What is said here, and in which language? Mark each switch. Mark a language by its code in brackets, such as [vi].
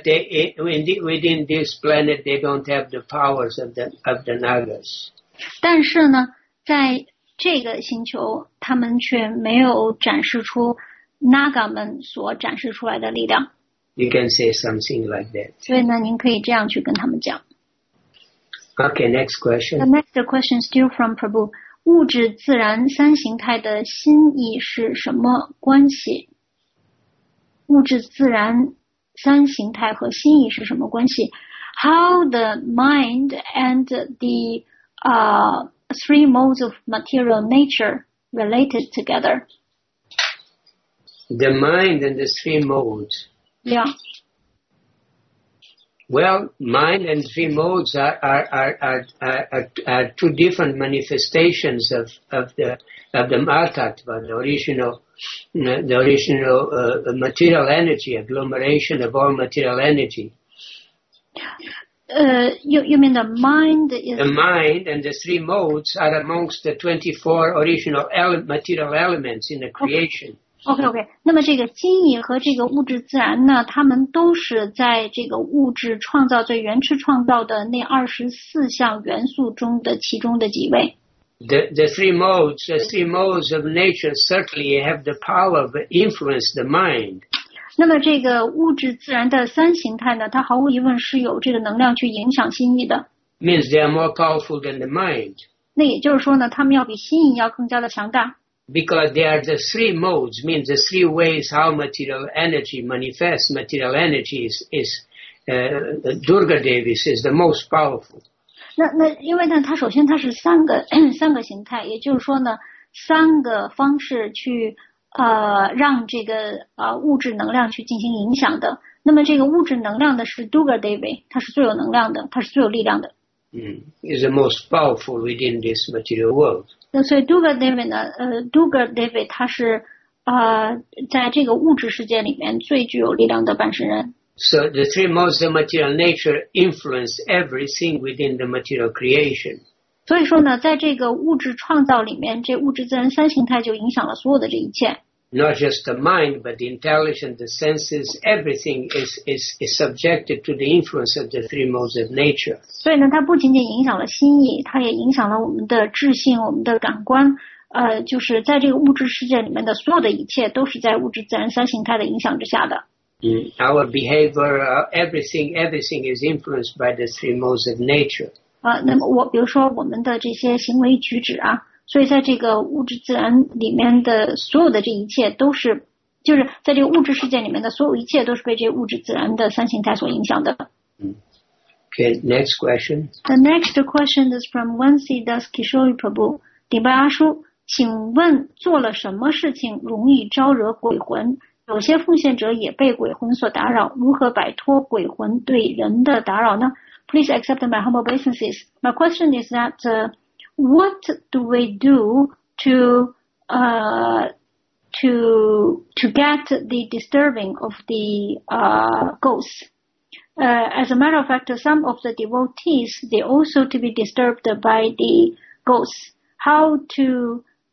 [en] But within this planet, they don't have the powers of the Nagas. [zh] 但是呢，在这个星球，他们却没有展示出 Naga 们所展示出来的力量。 [en] You can say something like that. [zh] 所以呢，您可以这样去跟他们讲。 [en] Okay, next question. The next question still from Prabhu. [zh] 物质自然三形态的心意是什么关系？物质自然三形态和心意是什么关系？ [en] How the mind and the three modes of material nature related together? The mind and the three modes. Yeah. Well, mind and three modes are two different manifestations of the Mahatattva, the original material energy, agglomeration of all material energy. You mean the mind is... The mind and the three modes are amongst the 24 original material elements in the creation. Okay. [zh] OK, 那么这个心意和这个物质自然呢，他们都是在这个物质创造最原始创造的那24项元素中的其中的几位。 [en] The three modes of nature certainly have the power to influence the mind. [zh] 那么这个物质自然的三形态呢，它毫无疑问是有这个能量去影响心意的。 [en] Means they are more powerful than the mind. [zh] 那也就是说呢，他们要比心意要更加的强大。 [en] Because they are the three modes, means the three ways how material energy manifests. Material energy is Durga Devi is the most powerful. [zh] 那因为呢，它首先它是三个形态，也就是说呢，三个方式去让这个物质能量去进行影响的。那么这个物质能量的是 Durga Devi， 它是最有能量的，它是最有力量的。 [en] Is the most powerful within this material world. [zh] 那所以 Durga Devi 呢？Durga Devi 它是在这个物质世界里面最具有力量的半身人。 [en] So the three modes of material nature influence everything within the material creation. [zh] 所以说呢，在这个物质创造里面，这物质自然三形态就影响了所有的这一切。 [en] not just the mind, but the intelligence, the senses, everything is subjected to the influence of the three modes of nature. [zh] 所以呢，它不仅仅影响了心意，它也影响了我们的智性，我们的感官。就是在这个物质世界里面的所有的一切都是在物质自然三形态的影响之下的。 [en] Mm, our behavior, everything is influenced by the three modes of nature. [zh] 那么我比如说我们的这些行为举止啊，所以在这个物质自然里面的所有的这一切都是，就是在这个物质世界里面的所有一切都是被这物质自然的三形态所影响的。 [en] Okay, next question. The next question is from Wansi Das Kishori Prabhu, Dibayashu. [zh] 请问做了什么事情容易招惹鬼魂？有些奉献者也被鬼魂所打扰，如何摆脱鬼魂对人的打扰呢？ [en] Please accept my humble obeisances. My question is that, what do we do to get the disturbing of the ghosts? As a matter of fact, some of the devotees, they also to be disturbed by the ghosts. How to...